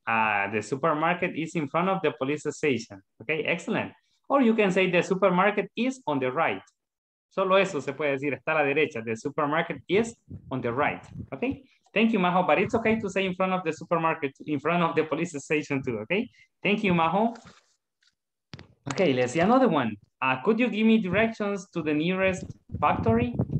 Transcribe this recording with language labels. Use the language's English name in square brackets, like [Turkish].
[English] The supermarket is in front of the police station. Okay, excellent. Or you can say the supermarket is on the right. [Spanish] Solo eso se puede decir, está a la derecha. [English] The supermarket is on the right, okay? Thank you, Majo, but it's okay to say in front of the supermarket, in front of the police station too, okay? Thank you, Majo. Okay, let's see another one. Could you give me directions to the nearest factory?